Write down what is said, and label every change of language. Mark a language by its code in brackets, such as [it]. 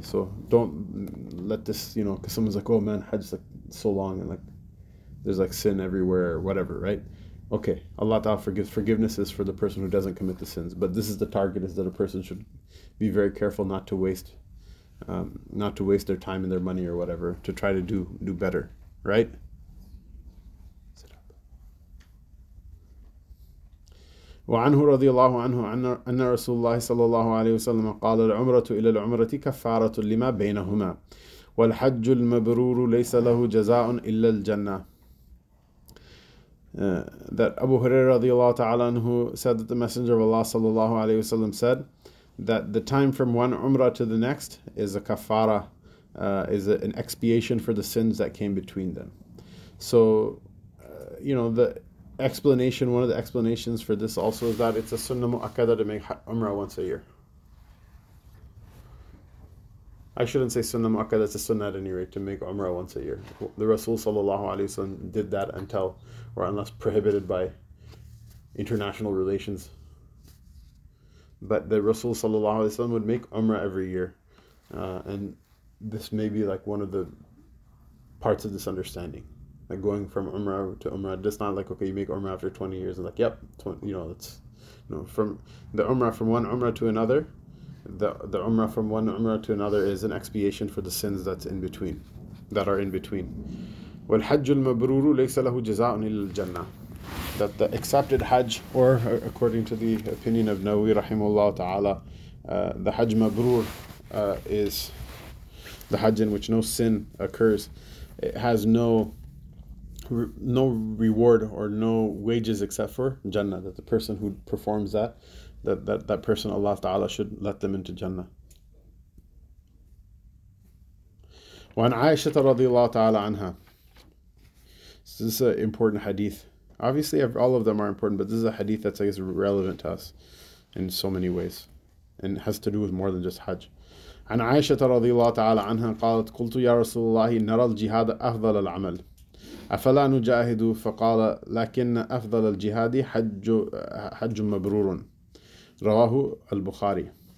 [en] So don't let this, because someone's like, oh man, Hajj is like so long and like there's like sin everywhere or whatever, right? Okay, Allah Ta'ala forgives. Forgiveness is for the person who doesn't commit the sins. But this is the target, is that a person should be very careful not to waste their time and their money or whatever to try to do better, right? Sit up. [ar] وعنه رضي الله عنه أن رسول الله صلى الله عليه وسلم قال العمرة إلى العمرة كفارة لما بينهما والحج المبرور ليس له جزاء إلا الجنة. [en] That Abu Hurairah radiallahu ta'ala anhu said that the Messenger of Allah sallallahu alayhi wasallam said that the time from one umrah to the next is a kafara, is an expiation for the sins that came between them. So, the explanation, one of the explanations for this also is that it's a sunnah mu'akkada to make umrah once a year. I shouldn't say sunnah mu'akkada, it's a sunnah at any rate to make umrah once a year. The Rasul sallallahu alayhi wasallam did that until, or unless prohibited by international relations. But the Rasul sallallahu alayhi wa sallam would make umrah every year. And this may be like one of the parts of this understanding. Like going from umrah to umrah, just not like, okay, you make umrah after 20 years and like, yep, 20, it's, from the umrah from one umrah to another, the umrah from one umrah to another is an expiation for the sins that's in between, that are in between. [ar] والحج المبرور ليس له جزاء إلا الجنة. [en] That the accepted Hajj, or according to the opinion of Nawawi rahimahullah ta'ala, the Hajj mabrur is the Hajj in which no sin occurs. It has no reward or no wages except for Jannah. That the person who performs that person, Allah ta'ala should let them into Jannah. [ar] وعن عائشة رضي الله تعالى عنها. [en] So this is an important hadith. Obviously, all of them are important, but this is a hadith that's, I guess, relevant to us in so many ways. And has to do with more than just Hajj. [ar] عن عائشة رضي الله تعالى عنها قالت قلت يا رسول الله نرى الجهاد أفضل العمل أفلا نجاهد فقال لكن أفضل الجهاد حج مبرور رواه البخاري.